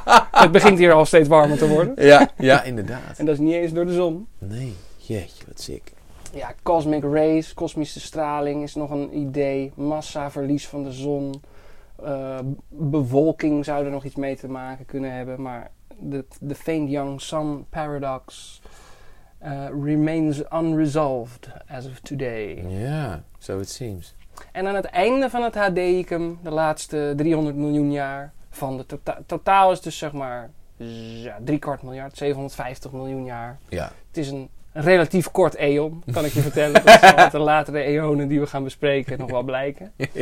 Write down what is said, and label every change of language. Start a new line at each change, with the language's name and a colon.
Dutch: Het begint hier al steeds warmer te worden. Ja, inderdaad. En dat is niet eens door de zon. Nee, jeetje, wat ziek. Ja, cosmic rays, kosmische straling is nog een idee. Massaverlies van de zon. Bewolking zou er nog iets mee te maken kunnen hebben.
English: Maar de faint young sun paradox remains unresolved as of today. Ja, so it seems.
Dutch: En aan het einde van het Hadeicum, de laatste 300 miljoen jaar van de totaal is dus zeg maar 750 miljard, 750 miljoen jaar. Ja. Het is een relatief kort eon, kan ik je vertellen. Dat zal met de latere eonen die we gaan bespreken nog wel blijken.